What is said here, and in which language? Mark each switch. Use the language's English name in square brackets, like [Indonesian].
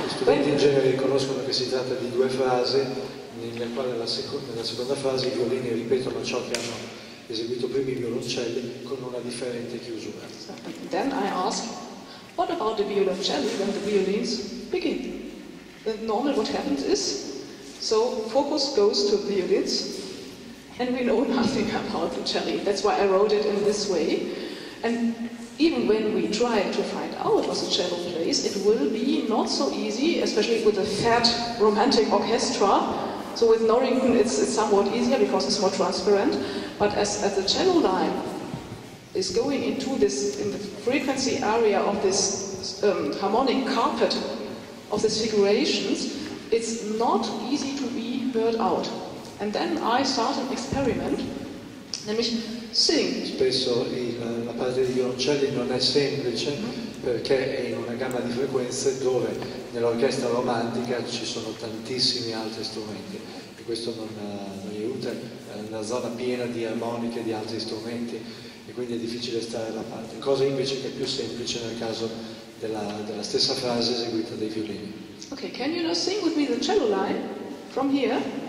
[Italian] Gli studenti in genere riconoscono che si tratta di due frasi nella quale nella seconda fase i violini ripetono ciò che hanno eseguito prima i violoncelli con una differente chiusura. [English] Then I ask, what about the violoncelli when the violins begin? Normally what happens is So focus goes to violins, and we know nothing about the cello. That's why I wrote it in this way. And even when we try to find out what the cello plays, it will be not so easy, especially with a fat romantic orchestra. So with Norrington, it's somewhat easier because it's more transparent. But as the cello line is going into this, in the frequency area of this harmonic carpet of these figurations, it's not easy to be heard out. And then I start an experiment, nämlich sing. [Italian] Spesso la parte di violoncelli non è semplice perché è in una gamma di frequenze dove nell'orchestra romantica ci sono tantissimi altri strumenti. E questo non aiuta, è una zona piena di armoniche e di altri strumenti e quindi è difficile stare da parte. Cosa invece che è più semplice nel caso della stessa frase eseguita dai violini. [English] Ok, can you now sing with me the cello line from here?